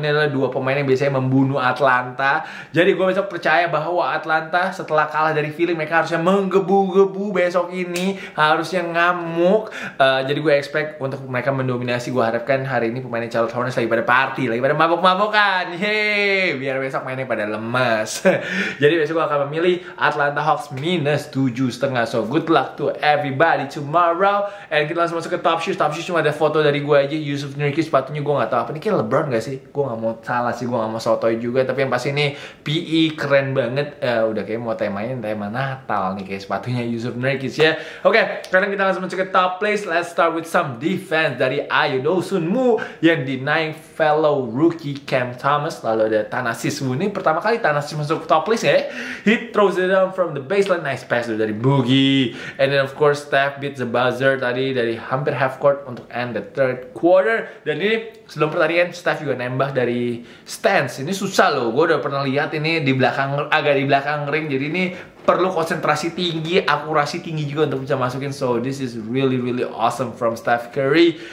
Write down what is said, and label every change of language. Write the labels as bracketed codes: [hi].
[id] Ini adalah dua pemain yang biasanya membunuh Atlanta. Jadi gue besok percaya bahwa Atlanta setelah kalah dari Philly, mereka harusnya menggebu-gebu besok ini, harusnya ngamuk. Jadi gue expect untuk mereka mendominasi. Gue harapkan hari ini pemainnya Charlotte Hornets lagi pada party, lagi pada mabok-mabokan. Yeay, biar besok mainnya pada lemas. Jadi besok gue akan memilih Atlanta Hawks minus 7.5. [en] So good luck to everybody tomorrow. [id] And kita langsung masuk ke Top Shoes. Top Shoes cuma ada foto dari gue aja, Yusuf Nurkic sepatu. Ini gue gak tahu apa, ini kayak LeBron gak sih? Gue gak mau salah sih, gue gak mau sotoy juga. Tapi yang pasti ini PE keren banget. Udah kayak mau temanya, tema Natal nih kayak sepatunya Yusuf Nurkic ya. Oke, sekarang kita langsung ke [en] top place. Let's start with some defense dari Ayo Dosunmu yang deny fellow rookie Cam Thomas. [id] Lalu ada Tanasis Mu, ini pertama kali Tanasis masuk [en] top place ya. He throws it down from the baseline, nice pass dari Boogie. And then of course Steph beat the buzzer [id] tadi dari hampir [en] half court untuk end the third quarter. [id] Dan ini sebelum pertandingan Steph juga nembak dari stance. Ini susah loh, gue udah pernah lihat ini di belakang, agak di belakang ring. Jadi ini perlu konsentrasi tinggi, akurasi tinggi juga untuk bisa masukin. [en] So this is really really awesome from Steph Curry.